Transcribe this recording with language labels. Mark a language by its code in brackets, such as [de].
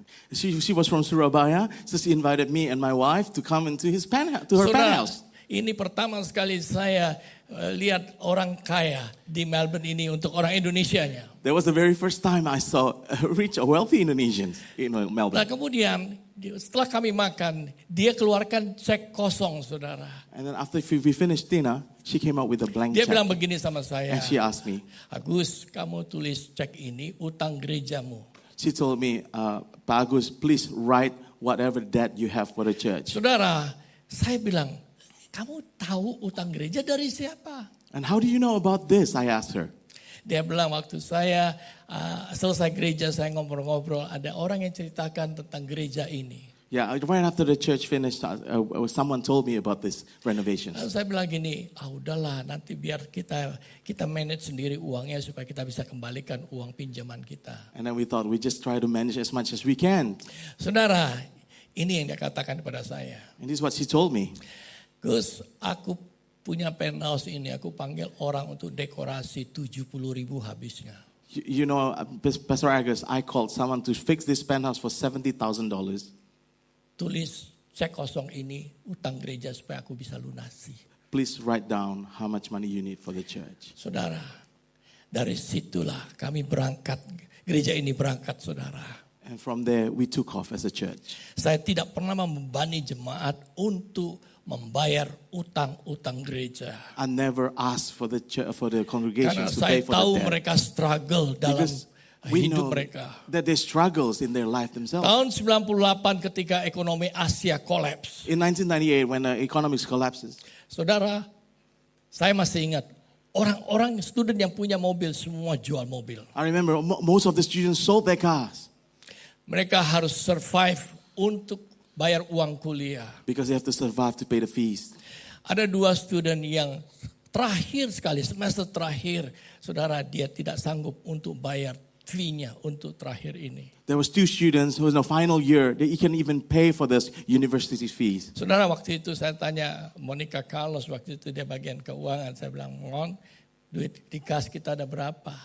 [en] She was from Surabaya, so she invited me and my wife to come into her penthouse. [id] Ini pertama sekali saya lihat orang kaya di Melbourne ini untuk orang Indonesianya. [en] That was the very first time I saw a rich or wealthy Indonesian in Melbourne. [id] Nah, kemudian setelah kami makan, dia keluarkan cek kosong, saudara. [en] And then after we finished dinner, she came out with a blank [id] dia [en] check. [id] Dia bilang begini sama saya. [en] And she asked me, [id] Agus, kamu tulis cek ini utang gerejamu. [en] She told me, Pak Agus, please write whatever debt you have for the church. [id] Saudara, saya bilang, kamu tahu utang gereja dari siapa? [en] And how do you know about this? I asked her. [id] Dia bilang, waktu saya selesai gereja, saya ngobrol-ngobrol, ada orang yang ceritakan tentang gereja ini. [en] Yeah, right after the church finished, someone told me about this renovation. [id] Saya bilang gini, udahlah, nanti biar kita manage sendiri uangnya supaya kita bisa kembalikan uang pinjaman kita. [en] And then we thought we just try to manage as much as we can. [id] Saudara, Ini yang dia katakan kepada saya. [en] And this is what she told me. [id] Gus, aku punya penthouse ini, aku panggil orang untuk dekorasi 70 ribu habisnya. [en] You know, Pastor Agus, I called someone to fix this penthouse for $70,000. [id] Tulis cek kosong ini, utang gereja supaya aku bisa lunasi. [en] Please write down how much money you need for the church. [id] Saudara, dari situlah kami berangkat, gereja ini berangkat, saudara. [en] And from there, we took off as a church. [id] Saya tidak pernah membebani jemaat untuk membayar utang-utang gereja. [en] I never asked for the church, for the congregation to pay for [id] that. Karena saya tahu mereka struggle dalam hidup mereka. [en] That they struggles in their life themselves. [id] Tahun 98 ketika ekonomi Asia collapse. [en] In 1998 when the economy collapses. [id] Saudara, saya masih ingat orang-orang student yang punya mobil semua jual mobil. [en] I remember most of the students sold their cars. [id] Mereka harus survive untuk bayar uang kuliah. [en] Because they have to survive to pay the fees. [id] Ada dua student yang terakhir sekali, semester terakhir, saudara, dia tidak sanggup untuk bayar fee-nya untuk terakhir ini. [en] There was two students who was in the final year, they can't even pay for this university fees. [id] Saudara, waktu itu saya tanya Monica Carlos, waktu itu dia bagian keuangan, saya bilang, Mon, duit di kas kita ada berapa?